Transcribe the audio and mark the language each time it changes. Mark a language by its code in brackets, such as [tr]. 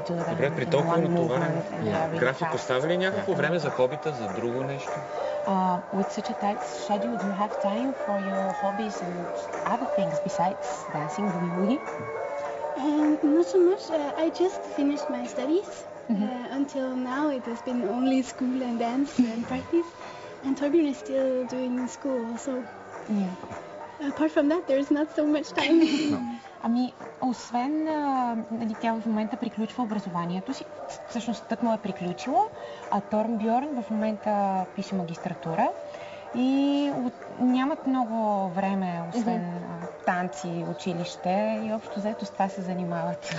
[bg] Добре, при толкова натоварен график, остава ли някакво време за хобита, за друго нещо? [en] With such a tight schedule, do you have time for your hobbies and other things besides dancing, really? Not so much. I just finished my studies. Until now, it has been only school and dance and practice. And Torbjörn is still doing school, so... Apart from that, there is not so much time. [bg] Ами, освен, нали, тя в момента приключва образованието си, всъщност тъкмо е приключила, а Торбьорн в момента пише магистратура и нямат много време, освен танци, училище и общо заето с това се занимават.